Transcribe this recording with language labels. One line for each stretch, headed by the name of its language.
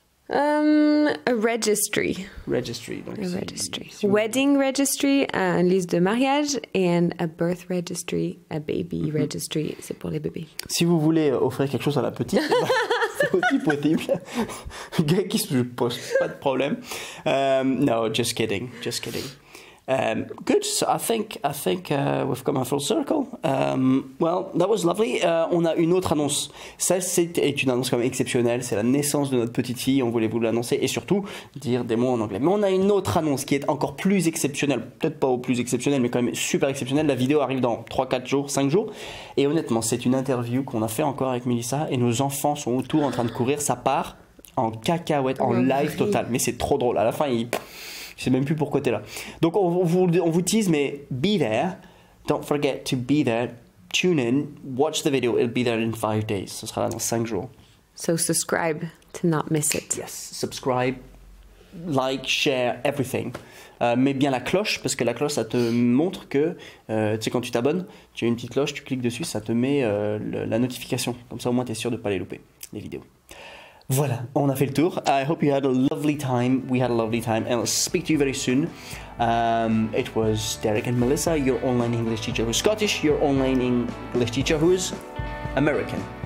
English: A registry. Registry. Donc a registry. Une... Wedding registry,
French: une liste de mariage,
English: and a birth registry, a baby registry,
French: c'est pour les bébés. Si vous voulez offrir quelque chose à la petite, c'est aussi possible. Gars qui se pose pas de problème.
English: No, just kidding, just kidding. Good, so I think we've come a full circle. Well, that was lovely.
French: On a une autre annonce. Celle, c'est une annonce quand même exceptionnelle. C'est la naissance de notre petite fille. On voulait vous l'annoncer et surtout dire des mots en anglais. Mais on a une autre annonce qui est encore plus exceptionnelle. Peut-être pas au plus exceptionnel, mais quand même super exceptionnelle. La vidéo arrive dans 3, 4 jours, 5 jours. Et honnêtement, c'est une interview qu'on a fait encore avec Mélissa et nos enfants sont autour en train de courir. Ça part en cacahuète, en live total. Mais c'est trop drôle. À la fin, il... Je ne sais même plus pourquoi tu es là. Donc, on vous tease, mais
English: be there. Don't forget to be there. Tune in. Watch the video. It'll be there in 5 days.
French: Ce sera là dans 5 jours.
English: So, subscribe to not miss it. Yes. Subscribe, like, share, everything.
French: Mets bien la cloche, parce que la cloche, ça te montre que, tu sais, quand tu t'abonnes, tu as une petite cloche, tu cliques dessus, ça te met la notification. Comme ça, au moins, tu es sûr de ne pas les louper, les vidéos. Voilà, on a fait le tour.
English: I hope you had a lovely time. We had a lovely time. And I'll speak to you very soon. It was Derek and Melissa, your online English teacher who's Scottish, your online English teacher who's American.